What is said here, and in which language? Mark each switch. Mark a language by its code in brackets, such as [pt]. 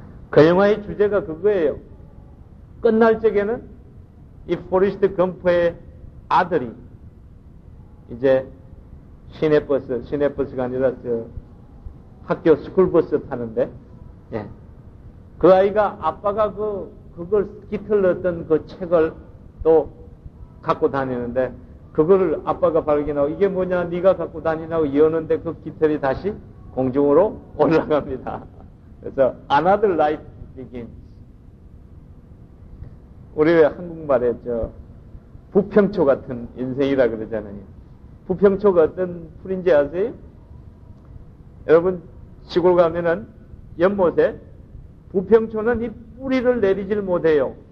[ko] 그 영화의 주제가 그거예요. 끝날 적에는 이 포레스트 검프의 아들이 이제 시내버스가 아니라 저 학교 스쿨버스 타는데 예. 그 아이가 아빠가 그걸 깃털 넣었던 그 책을 또 갖고 다니는데 그걸 아빠가 발견하고 이게 뭐냐 네가 갖고 다니냐고 이었는데 그 깃털이 다시 공중으로 올라갑니다. 그래서 [en] another life begins. [ko] 우리 왜 한국말에 저 부평초 같은 인생이라 그러잖아요. 부평초가 어떤 풀인지 아세요? 여러분 시골 가면은 연못에 부평초는 이 뿌리를 내리질 못해요.